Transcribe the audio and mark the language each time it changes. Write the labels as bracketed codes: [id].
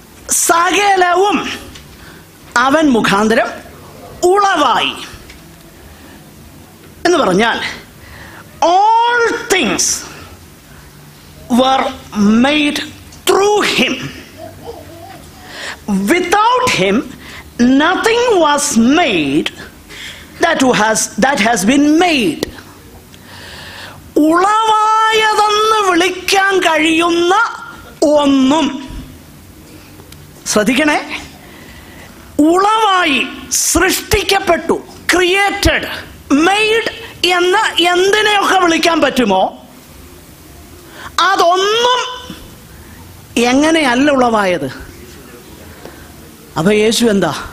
[ml] സകലവും അവൻ മുഖാന്തരം ഉളവായി എന്ന് പറഞ്ഞാൽ, [en] All things were made through him. Without him, nothing was made that has been made. [ml] ഉളവായതെന്ന് വിളിക്കാൻ കഴിയുന്ന ഒന്നും, ശ്രദ്ധിക്കണേ, ഉളവായി സൃഷ്ടിക്കപ്പെട്ടു, created, made എന്ന എന്തിനെയൊക്കെ വിളിക്കാൻ പറ്റുമോ അതൊന്നും എങ്ങനെയല്ല ഉളവായത്. അപ്പൊ യേശു എന്താ?